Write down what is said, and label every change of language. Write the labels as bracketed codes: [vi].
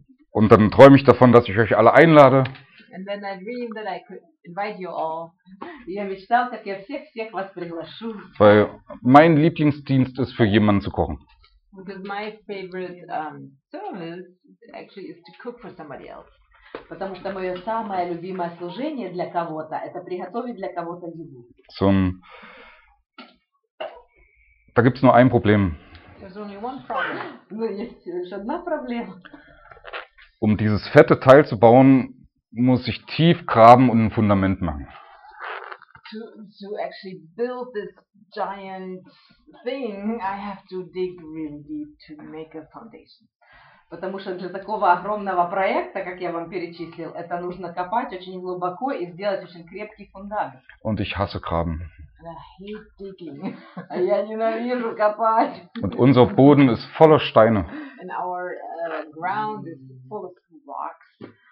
[de] Und dann träume ich davon, dass ich euch alle einlade. [en] And then I dream that I could invite you all. [ru] Я мечтал, как я всех вас приглашу. [de] Weil mein Lieblingsdienst ist, für jemanden zu kochen. [en] Because my favorite service actually is to cook for somebody else. [ru] Потому что мое самое любимое служение для кого-то – это приготовить для кого-то еду. [de] Da gibt's nur ein Problem. [en] There's only one problem. [ru] Но есть лишь одна проблема. [de] Um dieses fette Teil zu bauen, muss ich tief graben und ein Fundament machen. [en] To actually build this giant thing, I have to dig really deep to make a foundation. [ru] Потому что для такого огромного проекта, как я вам перечислил, это нужно копать очень глубоко и сделать очень крепкий фундамент. [de] Und ich hasse graben. [en] I hate digging. [ru] Я ненавижу копать. [de] Und unser Boden ist voller Steine. [en] And our ground is full of rocks.